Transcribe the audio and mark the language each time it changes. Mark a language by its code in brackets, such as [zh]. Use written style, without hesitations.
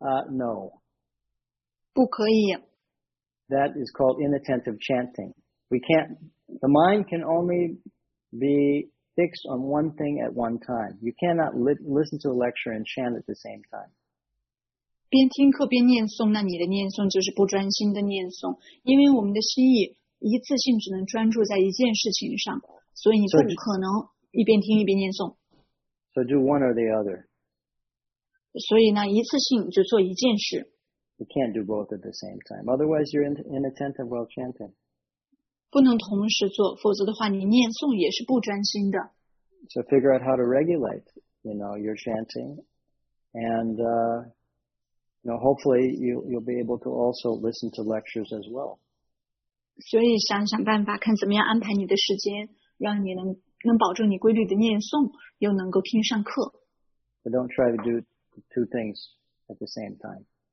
[en] No. [zh] 不可以。 [en] That is called inattentive chanting. We can't, the mind can only be... fixed on one thing at one time. You cannot listen to a lecture and chant at the same time. [zh] 边听课边念诵，那你的念诵就是不专心的念诵，因为我们的心意一次性只能专注在一件事情上，所以你不可能一边听一边念诵。 [en] So do one or the other. [zh] 所以呢，一次性就做一件事。 [en] You can't do both at the same time. Otherwise, you're inattentive while chanting. [zh] 不能同时做，否则的话，你念诵也是不专心的。 [en] So figure out how to regulate, you know, your chanting, and you know, hopefully you'll be able to also listen to lectures as well. [zh] 所以想想办法，看怎么样安排你的时间，让你能保证你规律的念诵，又能够听上课。 [en] But don't try to do two things at the same time.